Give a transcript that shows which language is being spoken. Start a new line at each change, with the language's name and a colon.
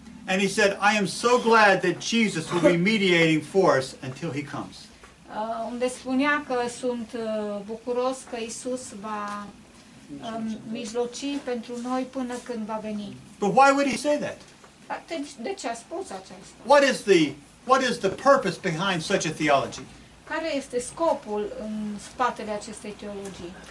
English: And he said, I am so glad that Jesus will be mediating for us until he comes.
Romanian: Unde spunea că sunt bucuros că Iisus va mijloci pentru noi până când va veni.
English: But why would he say that?
Romanian: De ce a spus aceasta?
English: What is the purpose behind such a theology?
Romanian: Care este scopul în spatele acestei teologii?